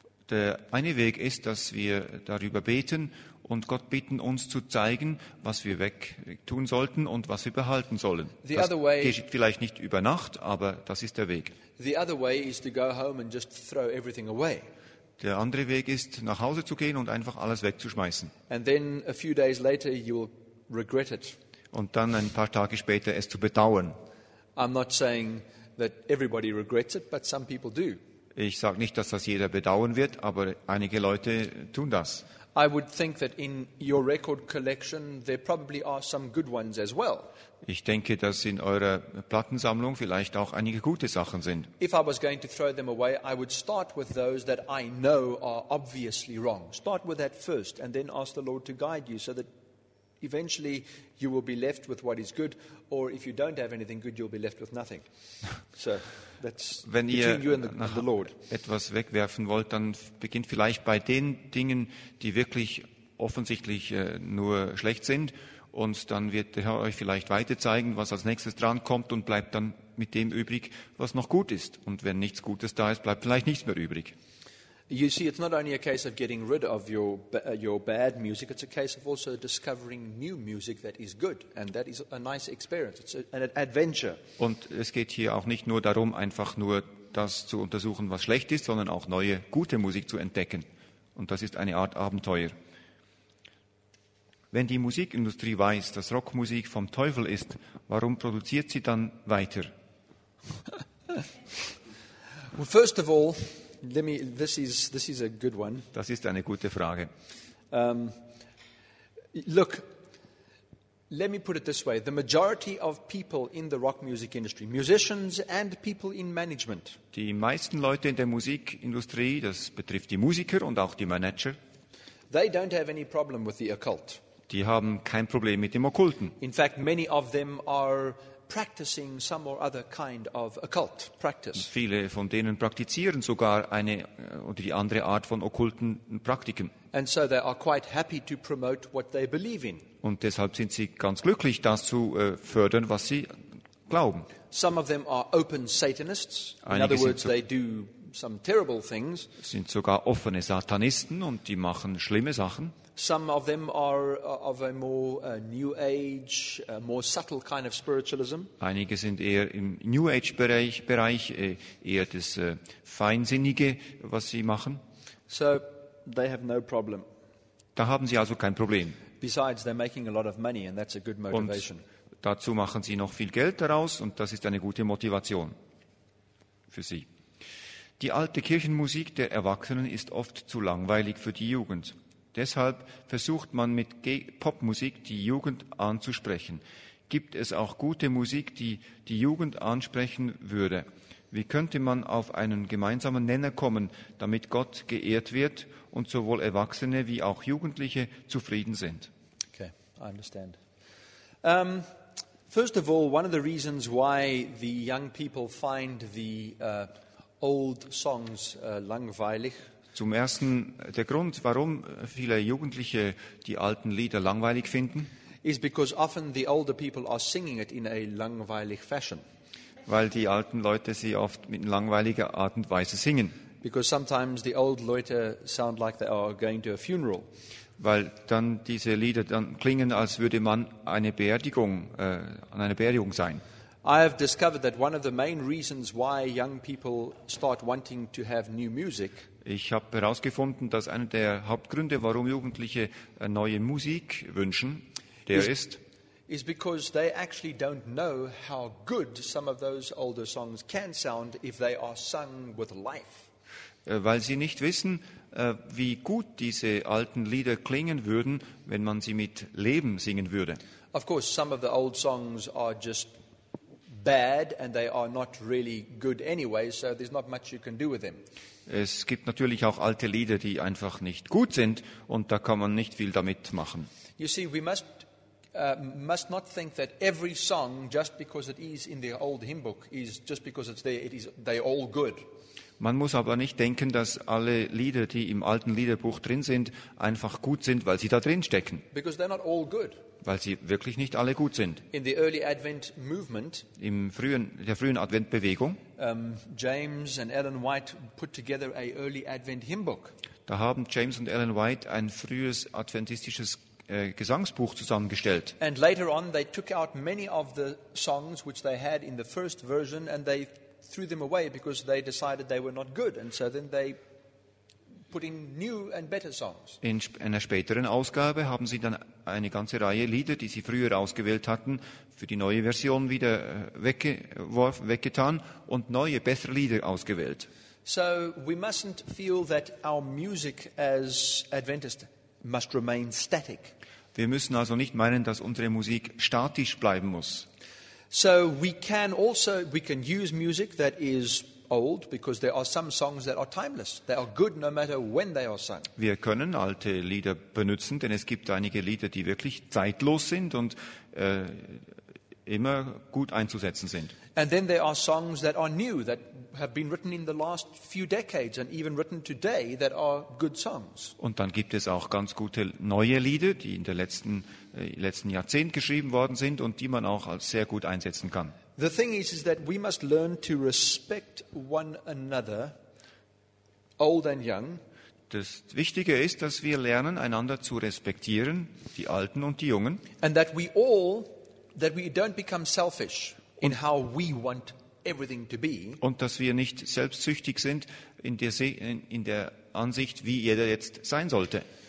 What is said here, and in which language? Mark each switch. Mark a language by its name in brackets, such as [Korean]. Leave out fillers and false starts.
[German] Der eine Weg ist, dass wir darüber beten und Gott bitten, uns zu zeigen, was wir wegtun sollten und was wir behalten sollen. [English] The other way, [German] das geht vielleicht nicht über Nacht, aber das ist der Weg. [English] The other way is to go home and just throw everything away. [German] Der andere Weg ist, nach Hause zu gehen und einfach alles wegzuschmeißen. [English] And then a few days later you'll regret it. [German] Und dann ein paar Tage später es zu bedauern. [English] I'm not saying that everybody regrets it, but some people do. [German] Ich sage nicht, dass das jeder bedauern wird, aber einige Leute tun das. [English] I would think that in your record collection there probably are some good ones as well. [German] Ich denke, dass in eurer Plattensammlung vielleicht auch einige gute Sachen sind. [English] If I was going to throw them away, I would start with those that I know are obviously wrong. Start with that first and then ask the Lord to guide you so that eventually you will be left with what is good, or if you don't have anything good, you'll be left with nothing. So that's [German] wenn [English] between [German] ihr [English] you and the Lord. [German] Etwas wegwerfen wollt, dann beginnt vielleicht bei den Dingen, die wirklich offensichtlich nur schlecht sind, und dann wird der Herr euch vielleicht weiter zeigen, was als nächstes dran kommt, und bleibt dann mit dem übrig, was noch gut ist. Und wenn nichts Gutes da ist, bleibt vielleicht nichts mehr übrig. [English] You see, it's not only a case of getting rid of your bad music, it's a case of also discovering new music that is good, and that is a nice experience, it's an adventure. [German] Und es geht hier auch nicht nur darum, einfach nur das zu untersuchen, was schlecht ist, sondern auch neue, gute Musik zu entdecken. Und das ist eine Art Abenteuer. Wenn die Musikindustrie weiß, dass Rockmusik vom Teufel ist, warum produziert sie dann weiter? [English] Well, first of all, this is a good one. [German] Das ist eine gute Frage. [English] Look, Let me put it this way. The majority of people in the rock music industry, musicians and people in management. [German] Die meisten Leute in der Musikindustrie, das betrifft die Musiker und auch die Manager. [English] They don't have any problem with the occult. [German] Die haben kein Problem mit dem Okkulten. [English] In fact, many of them are practicing some or other kind of occult practice. [German] Viele von denen praktizieren sogar eine oder die andere Art von okkulten Praktiken. [English] And so they are quite happy to promote what they believe in. [German] Und deshalb sind sie ganz glücklich, das zu fördern, was sie glauben. [English] Some of them are open Satanists. In other words, they do some terrible things. [German] Sind sogar offene Satanisten und die machen schlimme Sachen. [English] Some of them are of a more new age, more subtle kind of spiritualism. [German] Einige sind eher im New Age Bereich, eher das Feinsinnige, was sie machen. [English] So they have no problem. [German] Da haben sie also kein Problem. [English] Besides, they're making a lot of money, and that's a good motivation. [German] Und dazu machen sie noch viel Geld daraus, und das ist eine gute Motivation für sie. Die alte Kirchenmusik der Erwachsenen ist oft zu langweilig für die Jugend. Deshalb versucht man mit Popmusik die Jugend anzusprechen. Gibt es auch gute Musik, die die Jugend ansprechen würde? Wie könnte man auf einen gemeinsamen Nenner kommen, damit Gott geehrt wird und sowohl Erwachsene wie auch Jugendliche zufrieden sind? [English] Okay, I understand. First of all, one of the reasons why the young people find the old songs langweilig. [German] Zum Ersten, der Grund, warum viele Jugendliche die alten Lieder langweilig finden, [English] is because often the older people are singing it in a langweilig fashion. [German] Weil die alten Leute sie oft mit langweiliger Art und Weise singen. [English] Because sometimes the old Leute sound like they are going to a funeral. [German] Weil dann diese Lieder dann klingen, als würde man eine Beerdigung, an einer Beerdigung sein. [English] I have discovered that one of the main reasons why young people start wanting to have new music. [German] Ich habe herausgefunden, dass einer der Hauptgründe, warum Jugendliche neue Musik wünschen, der ist. [English] Is because they actually don't know how good some of those older songs can sound if they are sung with life. [German] Weil sie nicht wissen, wie gut diese alten Lieder klingen würden, wenn man sie mit Leben singen würde. [English] Of course, some of the old songs are just bad and they are not really good anyway, so there's not much you can do with them. [German] Es gibt natürlich auch alte Lieder, die einfach nicht gut sind und da kann man nicht viel damit machen. [English] You see, we must not think that every song, just because it is in the old hymn book, is just because it's there, they all good. [German] Man muss aber nicht denken, dass alle Lieder, die im alten Liederbuch drin sind, einfach gut sind, weil sie da drin stecken. [English] Because they're not all good. [German] Weil sie wirklich nicht alle gut sind. [English] In the early Advent movement, [German] der frühen Adventbewegung, [English] James and Ellen White put together a early Advent hymn book. [German] Da haben James und Ellen White ein frühes adventistisches Gesangsbuch zusammengestellt. [English] And later on they took out many of the songs which they had in the first version and they threw them away because they decided they were not good, and so then they put in new and better songs. [German] In einer späteren Ausgabe haben sie dann eine ganze Reihe Lieder, die sie früher ausgewählt hatten, für die neue Version wieder weggetan und neue bessere Lieder ausgewählt. [English] So we mustn't feel that our music as Adventist must remain static. [German] Wir müssen also nicht meinen, dass unsere Musik statisch bleiben muss. [English] So we can use music that is old, because there are some songs that are timeless. They are good no matter when they are sung. [German] Wir können alte Lieder benutzen, denn es gibt einige Lieder, die wirklich zeitlos sind und immer gut einzusetzen sind. [English] And then there are songs that are new, that have been written in the last few decades and even written today, that are good songs. [German] Und dann gibt es auch ganz gute neue Lieder, die in der letzten Jahrzehnt geschrieben worden sind und die man auch als sehr gut einsetzen kann. [English] The thing is that we must learn to respect one another, old and young. [German] Das Wichtige ist, dass wir lernen, einander zu respektieren, die Alten und die Jungen. [English] And that we don't become selfish in how we want everything to be. [German] Und dass wir nicht selbstsüchtig sind in der Ansicht, wie jeder jetzt sein sollte.